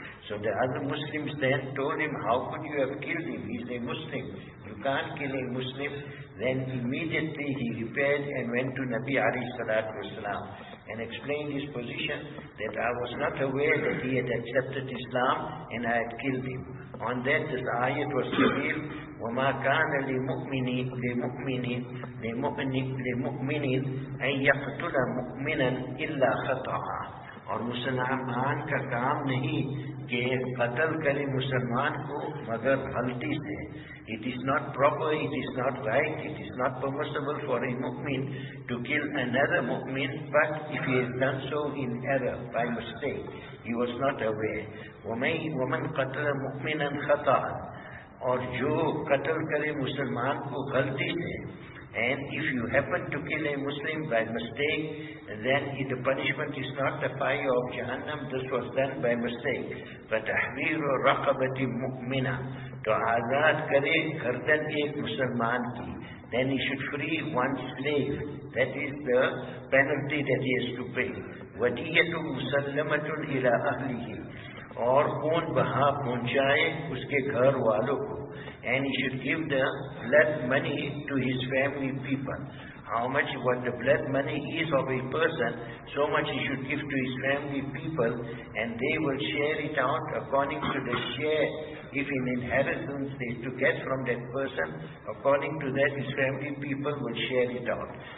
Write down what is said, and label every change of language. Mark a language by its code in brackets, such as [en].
[en] So the other Muslims then told him, how could you have killed him? He's a Muslim. You can't kill a Muslim. Then immediately he repaired and went to Nabi alayhi salatu wasalam and explained his position, that I was not aware that he had accepted Islam and I had killed him. On that the ayat was revealed, [ar] وَمَا كَانَ لِمُؤْمِنِينَ أَن يَقْتُلَ مُؤْمِنًا إِلَّا خَطَعًا. [ur] اور مسلمان کا کام نہیں کہ قتل کرے مسلمان کو مگر غلطی سے. [en] It is not proper, it is not right, it is not permissible for a mu'min to kill another mu'min, but if he has done so in error, by mistake, he was not aware. [ar] وَمَنْ قَتَلَ مُؤْمِنًا خَطَعًا. [ur] اور جو قتل کرے مسلمان کو غلطی سے. [en] And if you happen to kill a Muslim by mistake, then the punishment is not the fire of Jahannam. This was done by mistake. [ar] فَتَحْرِيرُ رَقَبَةِ مُؤْمِنًا. [ur] To azad kare gardan ek musalman ki. [en] Then he should free one slave. That is the penalty that he has to pay. [ar] وَدِيَةُ مُسَلَّمَةٌ إِلَىٰ أَهْلِهِ. [ur] اور خون بہا پہنچائے اس کے گھر والوں کو. [en] And he should give the blood money to his family people. How much what the blood money is of a person, so much he should give to his family people, and they will share it out according to the share. If in inheritance they to get from that person, according to that his family people will share it out.